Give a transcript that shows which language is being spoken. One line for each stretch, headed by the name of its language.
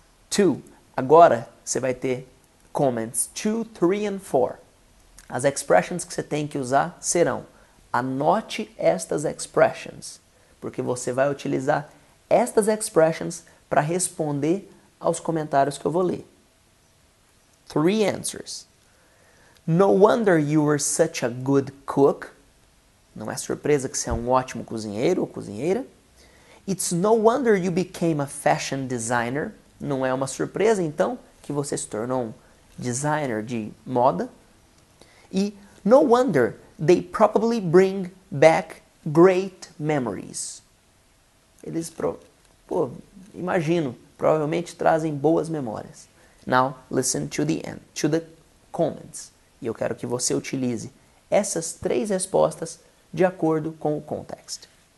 English: Two.
Portuguese: Agora, você vai ter comments
English: 2, 3 and 4.
Portuguese: As expressions que você tem que usar serão: anote estas expressions, porque você vai utilizar estas expressions para responder aos comentários que eu vou ler.
English: Three answers. No wonder you were such a good cook.
Portuguese: Não é surpresa que você é um ótimo cozinheiro ou cozinheira.
English: It's no wonder you became a fashion designer.
Portuguese: Não é uma surpresa, então, que você se tornou um designer de moda. E
English: no wonder they probably bring back great memories.
Portuguese: Eles, imagino, provavelmente trazem boas memórias.
English: Now, listen to the end, to the comments.
Portuguese: E eu quero que você utilize essas três respostas de acordo com o context.